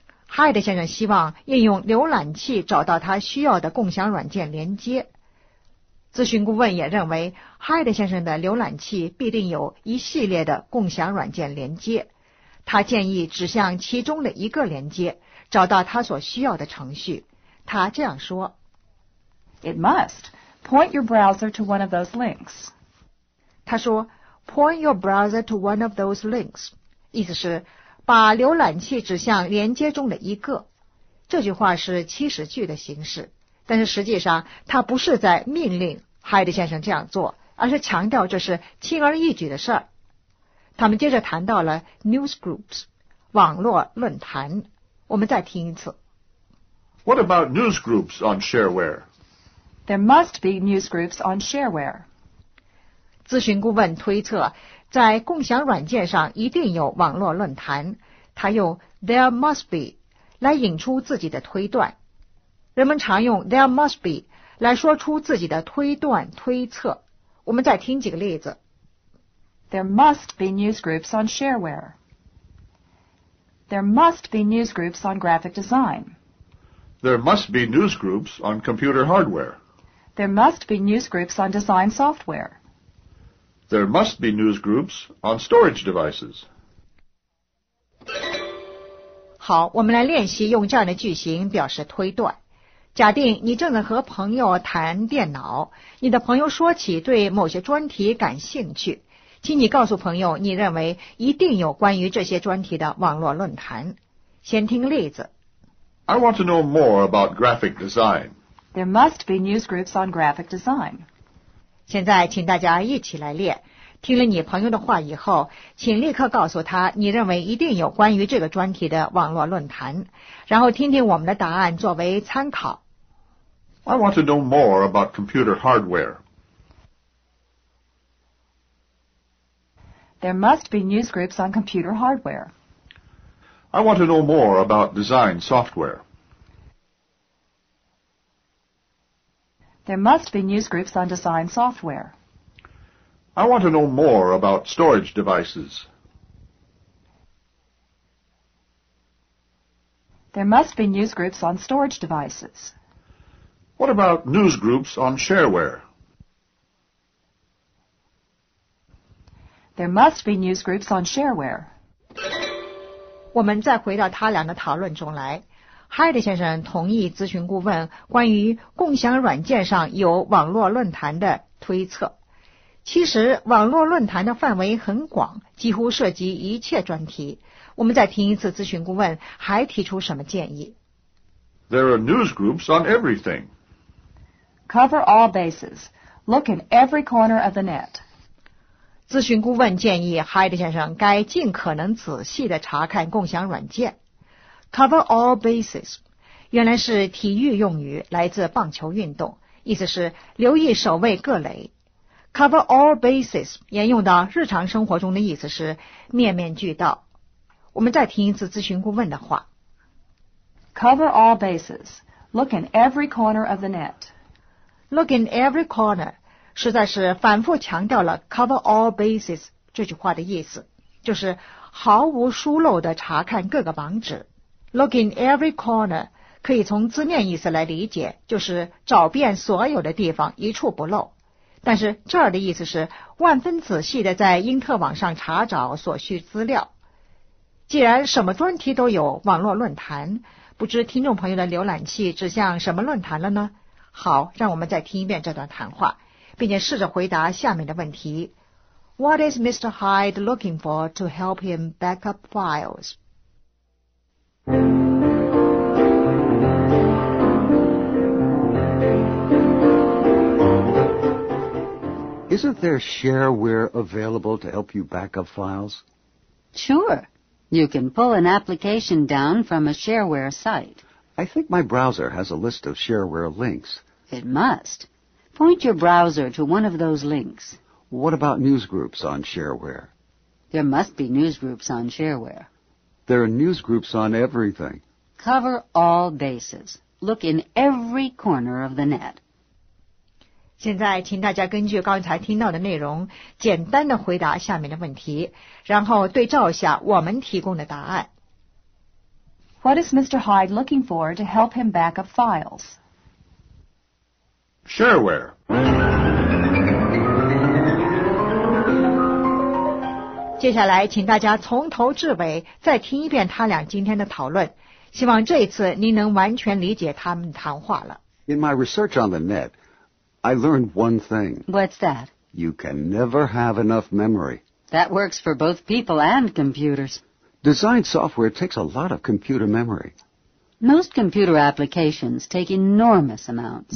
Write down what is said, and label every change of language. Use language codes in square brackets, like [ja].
[zh] Hyde 先生希望应用浏览器找到他需要的共享软件连接。咨询顾问也认为 Hyde 先生的浏览器必定有一系列的共享软件连接，他建议指向其中的一个连接，找到他所需要的程序。他这样说 [en] It must. Point your browser to one of those links. [zh] 他说 [en] Point your browser to one of those links. [zh] 意思是把浏览器指向连接中的一个，这句话是祈使句的形式，但是实际上它不是在命令 Hyde 先生这样做，而是强调这是轻而易举的事儿。他们接着谈到了 newsgroups 网络论坛，我们再听一次。 [en] What about newsgroups on shareware? There must be newsgroups on shareware. [zh] 咨询顾问推测在共享软件上一定有网络论坛，他用 [en] there must be [zh] 来引出自己的推断。人们常用 [en] there must be [zh] 来说出自己的推断推测。我们再听几个例子。 [en] There must be news groups on shareware. There must be news groups on graphic design. There must be news groups on computer hardware. There must be news groups on design software. There must be news groups on storage devices. [zh] 好，我们来练习用这样的句型表示推断。假定你正在和朋友谈电脑，你的朋友说起对某些专题感兴趣，请你告诉朋友你认为一定有关于这些专题的网络论坛。先听例子。 [en] I want to know more about graphic design. There must be news groups on graphic design. [zh] 现在请大家一起来练，听了你朋友的话以后，请立刻告诉他你认为一定有关于这个专题的网络论坛，然后听听我们的答案作为参考。 [en] I want to know more about computer hardware. There must be news groups on computer hardware. I want to know more about design software. There must be news groups on design software. I want to know more about storage devices. There must be news groups on storage devices. What about news groups on shareware? There must be news groups on shareware. [zh] 我们再回到他俩的讨论中来。Hyde 先生同意咨询顾问关于共享软件上有网络论坛的推测。其实网络论坛的范围很广，几乎涉及一切专题。我们再听一次咨询顾问还提出什么建议。 [en] There are news groups on everything. Cover all bases. Look in every corner of the net. [zh] 咨询顾问建议 Hyde 先生该尽可能仔细地查看共享软件。 [en] Cover all bases [zh] 原来是体育用语，来自棒球运动，意思是留意守卫各垒。 [en] Cover all bases [zh] 沿用到日常生活中的意思是面面俱到。我们再听一次咨询顾问的话。 [en] Cover all bases. Look in every corner of the net. Look in every corner [zh] 实在是反复强调了 [en] cover all bases [zh] 这句话的意思，就是毫无疏漏地查看各个网址。 [en] Look in every corner [zh] 可以从字面意思来理解，就是找遍所有的地方，一处不漏。但是这儿的意思是万分仔细地在因特网上查找所需资料。既然什么专题都有网络论坛，不知听众朋友的浏览器指向什么论坛了呢？好，让我们再听一遍这段谈话，并且试着回答下面的问题。 [en] What is Mr. Hyde looking for to help him back up files? Isn't there shareware available to help you back up files? Sure. You can pull an application down from a shareware site. I think my browser has a list of shareware links. It must. Point your browser to one of those links. What about newsgroups on shareware? There must be newsgroups on shareware. There are newsgroups on everything. Cover all bases. Look in every corner of the net. [zh] 现在请大家根据刚才听到的内容简单地回答下面的问题，然后对照一下我们提供的答案。 [en] What is Mr. Hyde looking for to help him back up files? Shareware. [zh] 接下来请大家从头至尾再听一遍他俩今天的讨论，希望这一次您能完全理解他们的谈话了。 [en] In my research on the net, I learned one thing. What's that? You can never have enough memory. That works for both people and computers. Design software takes a lot of computer memory. Most computer applications take enormous amounts.